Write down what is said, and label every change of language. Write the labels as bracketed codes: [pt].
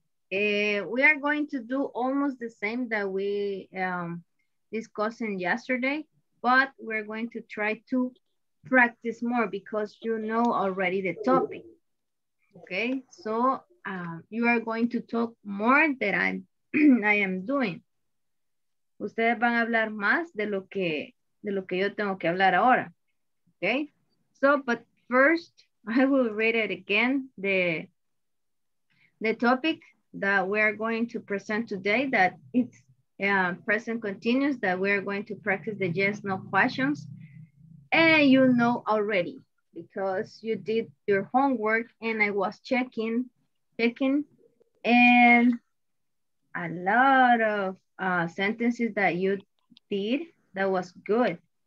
[en] We are going to do almost the same that we discussed yesterday, but we're going to try to practice more because you know already the topic. Okay, so you are going to talk more than I am doing. [es] Ustedes van a hablar más de lo que yo tengo que hablar ahora. [en] Okay? So, but first, I will read it again, the topic that we are going to present today, that it's present continuous, that we are going to practice the yes, no questions. And you know already, because you did your homework and I was checking, and a lot of sentences that you did, that was good.